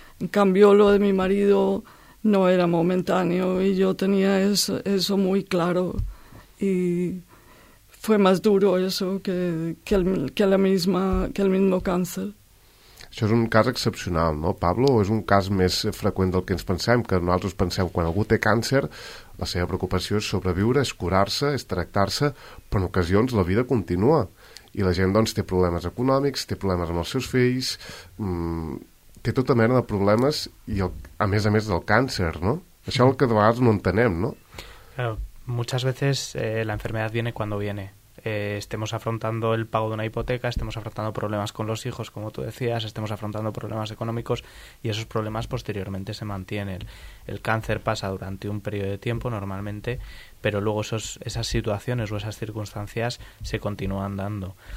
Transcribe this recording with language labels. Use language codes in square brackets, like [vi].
[es] En cambio, lo de mi marido no era momentáneo y yo tenía eso muy claro. Y fue más duro eso que el mismo cáncer. [ca] Això és un cas excepcional, no, Pablo? O és un cas més freqüent del que ens pensem? Que nosaltres pensem que quan algú té càncer, la seva preocupació és sobreviure, és curar-se, és tractar-se, però en ocasions la vida continua. I la gent, doncs, té problemes econòmics, té problemes amb els seus fills, té tota mena de problemes, i a més del càncer, no? Això és el que de vegades no entenem, no? [es] Muchas veces la enfermedad viene cuando viene. Estemos afrontando el pago de una hipoteca, estemos afrontando problemas con los hijos, como tú decías, estemos afrontando problemas económicos, y esos problemas posteriormente se mantienen. El cáncer pasa durante un periodo de tiempo, normalmente, pero luego esas situaciones o esas circunstancias se continúan dando.